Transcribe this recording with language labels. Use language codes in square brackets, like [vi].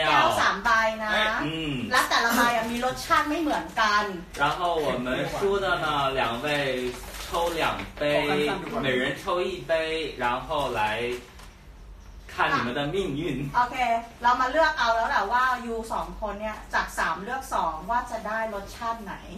[th] แก้ว3ใบนะและแต่ละใบมีรสชาติไม่เหมือนกัน [zh] 然后我们输的呢两位抽两杯每人抽一杯然后来看你们的命运 [th] โอเคเรามาเลือกเอาแล้วแหละว่ายู2คนเนี่ยจาก3เลือก2ว่าจะได้รสชาติไหน